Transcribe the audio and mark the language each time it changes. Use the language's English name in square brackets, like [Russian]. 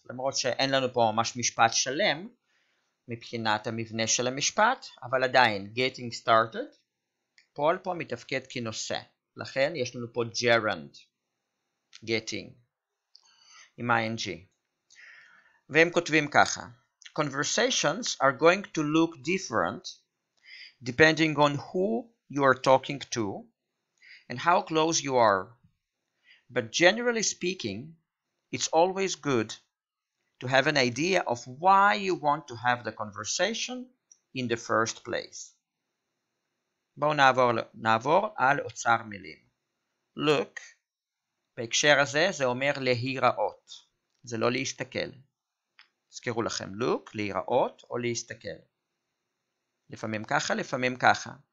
[Hebrew] למרות שאין לנו פה ממש משפט שלם מבחינת המבנה של המשפט, אבל עדיין [English] getting started, [Hebrew] פועל פה מתפקד כנושא. לכן יש לנו פה gerund, getting, עם ing. והם כותבים ככה, [English] conversations are going to look different depending on who you are talking to and how close you are. But generally speaking, it's always good to have an idea of why you want to have the conversation in the first place. [Hebrew] בואו נעבור על אוצר מילים. Look, בהקשר הזה זה אומר להיראות, זה לא להסתכל. תזכרו לכם, look, להיראות או להסתכל. לפעמים ככה, לפעמים ככה.